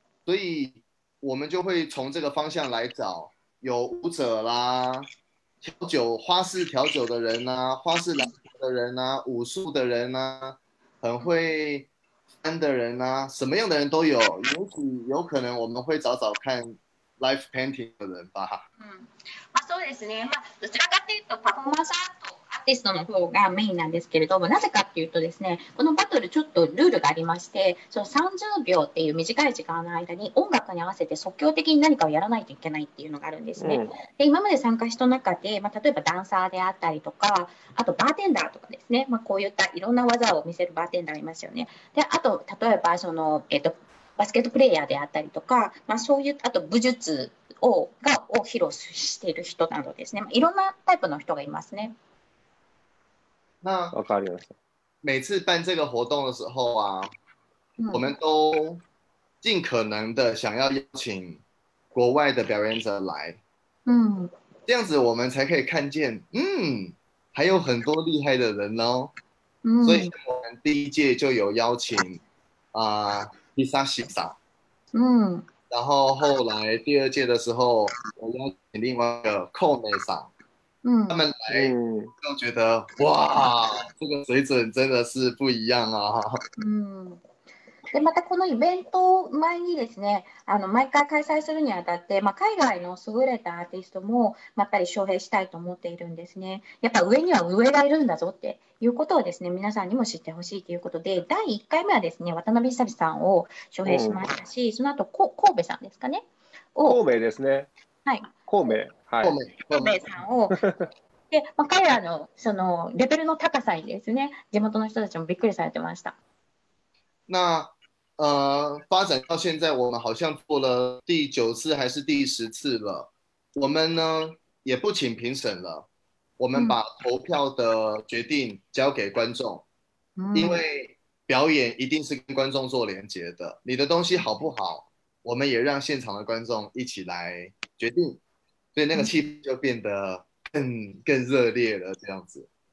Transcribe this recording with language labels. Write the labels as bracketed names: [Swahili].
[Chinese] 所以我们就会从这个方向来找，有舞者啦，调酒花式调酒的人啊，花式篮球的人啊，武术的人啊，很会翻的人啊，什么样的人都有，也许有可能我们会找找看。 [English] Life painting の人吧。 [Japanese] まあ、そうですね、まあ、どちらかというとパフォーマンスアートアーティストの方がメインなんですけれども、なぜかというとですね、このバトルちょっとルールがありまして、その30秒っていう短い時間の間に音楽に合わせて即興的に何かをやらないといけないっていうのがあるんですね、うん、で今まで参加した中で、まあ、例えばダンサーであったりとか、あとバーテンダーとかですね、まあ、こういったいろんな技を見せるバーテンダーいますよね。であと例えばバスケットプレイヤーであったりとか、まあ、そういうあと武術 を披露している人などですね、いろんなタイプの人がいますね。 [Chinese] 那 [Japanese] 分かりました。 [Chinese] 每次办这个活动的时候啊、嗯、我们都尽可能的想要邀请国外的表演者来，嗯，这样子我们才可以看见，嗯，还有很多厉害的人哦、嗯、所以我们第一届就有邀请啊、披萨西萨，嗯，然后后来第二届的时候，我邀请另外一个寇内萨，嗯，他们来都觉得哇，这个水准真的是不一样啊。 [Japanese] でまたこのイベント前にですね、毎回開催するにあたって、海外の優れたアーティストもやっぱり招聘したいと思っているんですね。やっぱ上には上がいるんだぞっていうことをですね、皆さんにも知ってほしいということで、第1回目はですね、渡辺久美さんを招聘しましたし、うん、その後神戸さんですかね。神戸ですね。はい。神戸。はい。神戸さんを。で、彼らのそのレベルの高さにですね、地元の人たちもびっくりされてました。 [Chinese] 那发展到现在我们好像做了第九次还是第十次了，我们呢也不请评审了，我们把投票的决定交给观众，因为表演一定是跟观众做连结的，你的东西好不好我们也让现场的观众一起来决定，所以那个气氛就变得 更热烈了这样子。